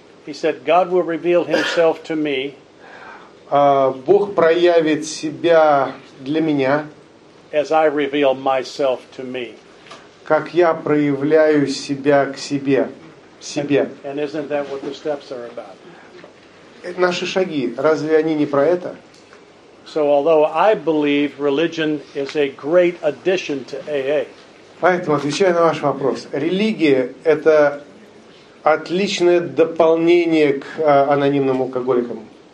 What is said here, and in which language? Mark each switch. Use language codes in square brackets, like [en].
[en] He said, "God will reveal Himself to me." [ru] Бог проявит себя для меня. [en] As I reveal myself to me. [ru] Как я проявляю себя к себе, себе. [en] And isn't that what the steps are about? [ru] Наши шаги, разве они не про это? [en] So although I believe religion is a great addition to AA. [ru] Поэтому отвечаю на ваш вопрос. Религия – это отличное дополнение к анонимным алкоголикам.